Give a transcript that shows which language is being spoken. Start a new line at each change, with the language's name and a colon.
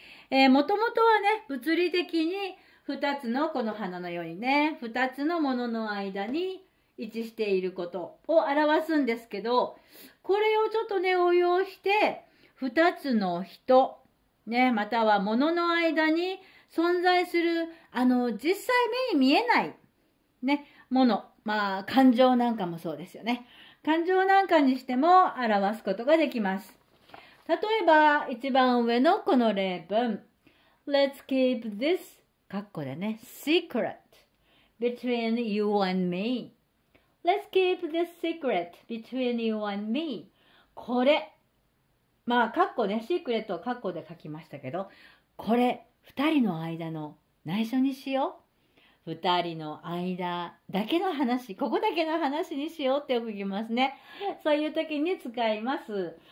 Japanese: もともとはね、物理的に2つの、この花のようにね、2つの物の間に位置していることを表すんですけど、これをちょっとね、応用して2つの人ね、または物の間に存在する、あの、実際目に見えないね、もの、まあ感情なんかもそうですよね。感情なんかにしても表すことができます。
English: 例えば一番上のこの例文、 Let's keep this
Japanese: かっこでね、
English: secret between you and meLet's keep this secret between you and me.
Japanese: これ、まあ、カッコね、シークレットをカッコで書きましたけど、これ、二人の間の内緒にしよう。二人の間だけの話、ここだけの話にしようってよく言いますね。そういう時に使います。